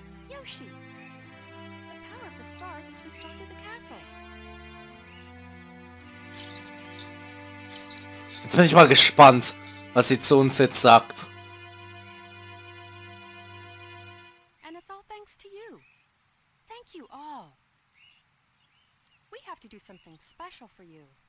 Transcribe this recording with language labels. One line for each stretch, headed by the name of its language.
English: Yoshi, the power of the stars has restored the castle.
German: Jetzt bin ich mal gespannt, was sie zu uns jetzt sagt.
English: And it's all thanks to you. Thank you all. We have to do something special for you.